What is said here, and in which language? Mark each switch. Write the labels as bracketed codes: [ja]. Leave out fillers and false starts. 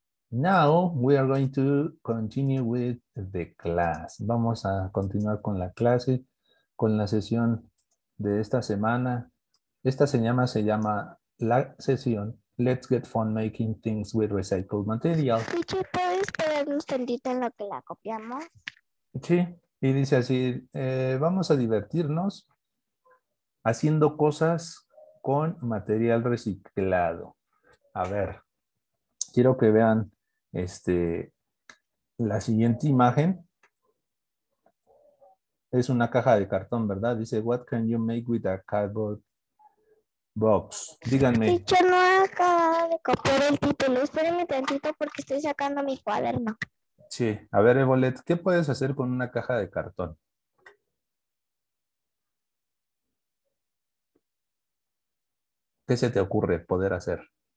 [en] Now we are going to continue with the class. [es] Vamos a continuar con la clase, con la sesión de esta semana. Esta se llama la sesión Let's Get Fun Making Things with Recycled Material. Sí, ¿puedes esperar un segundito en lo que la copiamos? Sí, y dice así, vamos a divertirnos haciendo cosas con material reciclado. A ver, quiero que vean la siguiente imagen. Es una caja de cartón, ¿verdad? [en] Dice, what can you make with a cardboard box? [es] Díganme. Yo no he acabado de copiar el título. Espérenme tantito porque estoy sacando mi cuaderno. Sí. A ver, Ebolet, ¿qué puedes hacer con una caja de cartón? ¿Qué se te ocurre poder hacer?